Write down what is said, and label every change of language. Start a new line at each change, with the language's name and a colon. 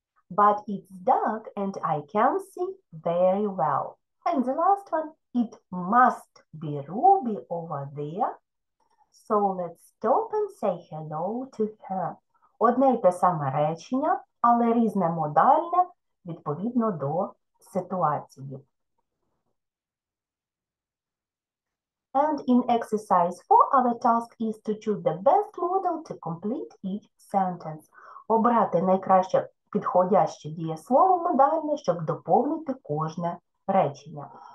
English: But it's dark and I can see very well. And the last one, it must be Ruby over there. So let's stop and say hello to her.
Ukrainian: Одне й те саме речення, але різне модальне відповідно до ситуації.
English: And in exercise 4, our task is to choose the best modal to complete each sentence.
Ukrainian: Обрати найкраще підходяще дієслово модальне, щоб доповнити кожне речення.